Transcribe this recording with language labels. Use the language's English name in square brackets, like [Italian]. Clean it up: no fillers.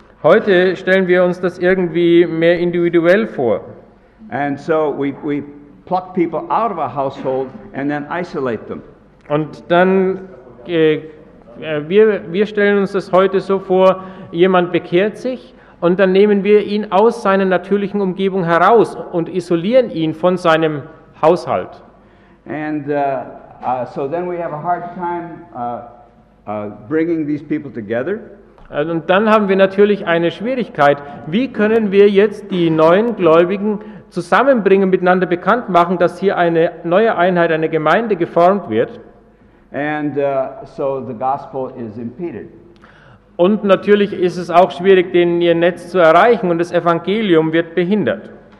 [German] Heute stellen wir uns das irgendwie mehr individuell vor. [English] And so we pluck people out of a household and then isolate them. [German] Und dann wir stellen uns das heute so vor, jemand bekehrt sich und dann nehmen wir ihn aus seiner natürlichen Umgebung heraus und isolieren ihn von seinem Haushalt. [English] And so then we have a hard time bringing these people together. [German] Und dann haben wir natürlich eine Schwierigkeit. Wie können wir jetzt die neuen Gläubigen zusammenbringen, miteinander bekannt machen, dass hier eine neue Einheit, eine Gemeinde geformt wird? [English] And, so the gospel is impeded. [German] Und natürlich ist es auch schwierig, den ihr Netz zu erreichen und das Evangelium wird behindert.